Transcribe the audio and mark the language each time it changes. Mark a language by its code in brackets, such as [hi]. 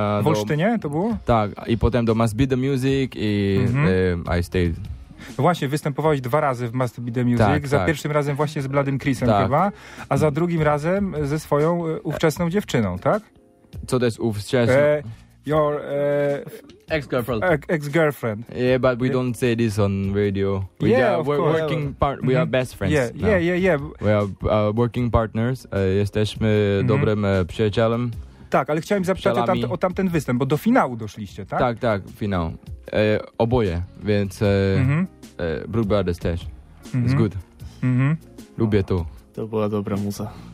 [pl] W Olsztynie to było? Tak, i potem do Must Be The Music i [en] I stayed. [pl] No właśnie, występowałeś dwa razy w Must Be The Music, pierwszym razem właśnie z Bloody Chrisem chyba, a za drugim razem ze swoją ówczesną dziewczyną, tak? Co to jest ówczesna? [en] Your ex-girlfriend. Yeah, but we don't say this on radio. We're working part. Mm-hmm. We are best friends. We are working partners. [pl] Jesteśmy dobrym przyjacielem. Tak, ale chciałem zapytać o tamten występ, bo do finału doszliście, tak? Tak, finał. Oboje, więc Brook Brothers też. [en] It's good. [pl] Lubię to. To była dobra muza.